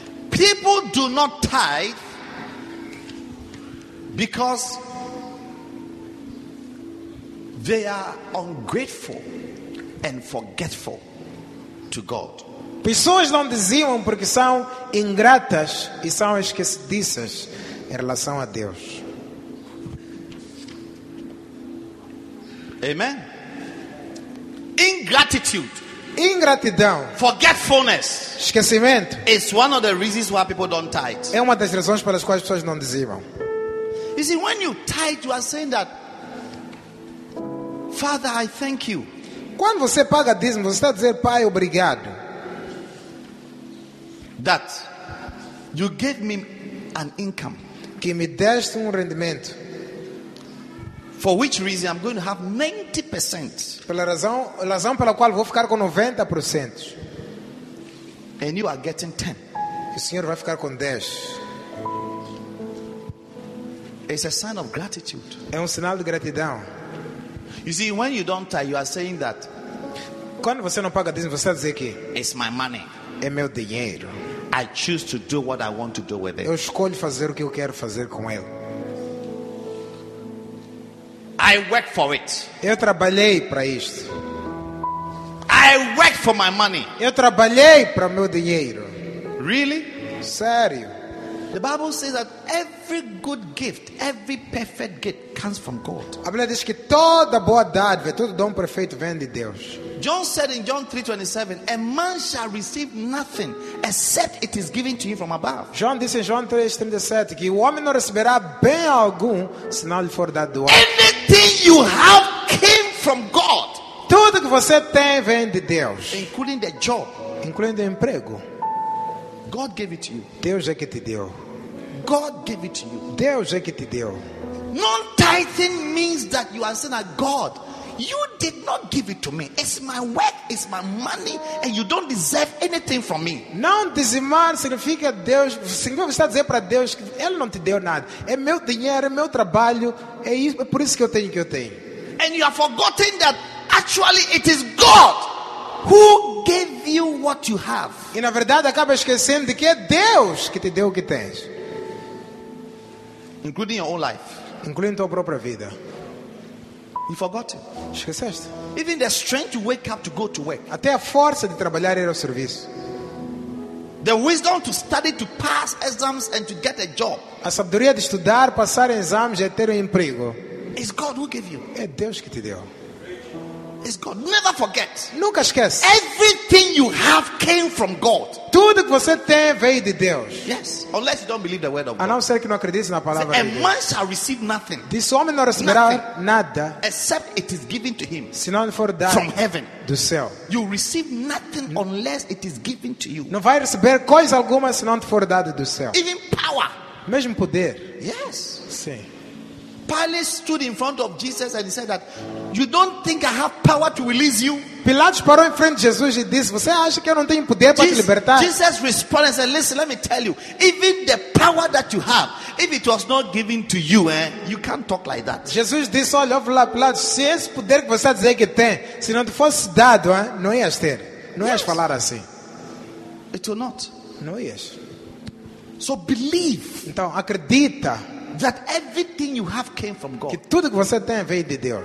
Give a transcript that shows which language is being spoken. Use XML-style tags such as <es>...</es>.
<en>People do not tithe because they are ungrateful and forgetful to God.</en> <pt>Pessoas não diziam porque são ingratas e são esquecidas em relação a Deus.</pt> <en>Amen. Ingratitude.</en> <pt>Ingratidão.</pt> <en>Forgetfulness.</en> <pt>Esquecimento.</pt> <en>It's one of the reasons why people don't tithe.</en> <pt>É uma das razões pelas quais as pessoas não dizimam.</pt> <en>You see, when you tithe, you are saying that, Father, I thank you.</en> <pt>Quando você paga dízimo, você está a dizer, Pai, obrigado.</pt> <en>That you gave me an income.</en> <pt>Que me deste rendimento.</pt> <en>For which reason I'm going to have 90%.</en> <pt>Pela razão pela qual vou ficar com 90%.</pt> <en>And you are getting 10.</en> <pt>O senhor vai ficar com 10.</pt> <en>It's a sign of gratitude.</en> <pt>É sinal de gratidão.</pt> <en>You see, when you don't tithe, you are saying that.</en> <pt>Quando você não paga dízimo, você está a dizer que</pt> <en>it's my money.</en> <pt>É meu dinheiro.</pt> <en>I choose to do what I want to do with it.</en> <pt>Eu escolho fazer o que eu quero fazer com ele.</pt> <en>I work for it.</en> <pt>Eu trabalhei para isto.</pt> <en>I work for my money.</en> <pt>Eu trabalhei para meu dinheiro.</pt> <en>Really?</en> <pt>Sério?</pt> <en>The Bible says that every good gift, every perfect gift comes from God.</en> <pt>A Bíblia diz que toda boa dádiva, todo dom perfeito vem de Deus.</pt> <en>John said in John 3:27, a man shall receive nothing except it is given to him from above.</en> <pt>João disse em João 3:37 que o homem não receberá bem algum se não lhe for dado do alto.</pt> <en>Anything you have came from God.</en> <pt>Tudo que você tem vem de Deus.</pt> <en>Including the job.</en> <pt>Incluindo o emprego.</pt> <en>God gave it to you.</en> <pt>Deus é que te deu.</pt> <en>God gave it to you.</en> <pt>Deus é que te deu.</pt> <en>Non-tithing means that you are saying that God, you did not give it to me. It's my work, it's my money, and you don't deserve anything from me.</en> <pt>Não dizimar significa Deus, significa você dizer para Deus que ele não te deu nada. É meu dinheiro, é meu trabalho, é isso, é por isso que eu tenho o que eu tenho.</pt> <en>And you have forgotten that actually it is God who gave you what you have.</en> <pt>E na verdade acaba esquecendo de que é Deus que te deu o que tens.</pt> <en>Including your own life.</en> <pt>Incluindo tua própria vida.</pt> <en>You forgot it.</en> <pt>Esqueceste.</pt> <en>Even the strength to wake up to go to work.</en> <pt>Até a força de trabalhar e ir ao serviço.</pt> <en>The wisdom to study to pass exams and to get a job.</en> <pt>A sabedoria de estudar, passar exames e ter emprego.</pt> <en>It's God who gave you.</en> <pt>É Deus que te deu.</pt> <en>It's God. Never forget.</en> <pt>Nunca esquece.</pt> <en>Everything you have came from God.</en> <pt>Tudo que você tem veio de Deus.</pt> <en>Yes. Unless you don't believe the word of God.</en> <pt>A não ser que não acredites na palavra de Deus.</pt> <en>A man shall receive nothing. This</en> <pt>homem não receberá nada.</pt> <en>Except it is given to him.</en> <pt>Se não for dado.</pt> <en>From heaven.</en> <pt>Do céu.</pt> <en>You receive nothing unless it is given to you.</en> <pt>Não vai receber coisa alguma se não for dado do céu.</pt> <en>Even power.</en> <pt>Mesmo poder.</pt> <en>Yes.</en> <pt>Sim.</pt> <en>Pilate stood in front of Jesus and he said that, you don't think I have power to release you?</en> <pt>Pilatos parou em frente de Jesus e disse, você acha que eu não tenho poder para te libertar?</pt> <en>Jesus responded and said, listen, let me tell you, even the power that you have, if it was not given to you, you can't talk like that.</en> <pt>Jesus disse, olha, lá, Pilatos, se esse poder que você está dizendo que tem, se não te fosse dado, não ias ter, não ias falar assim.</pt> <en>It will not.</en> <pt>Não ias.</pt> <en>So believe.</en> <pt>Então acredita.</pt> <en>That everything you have came from God.</en> <pt>Que tudo que você tem veio de Deus.</pt>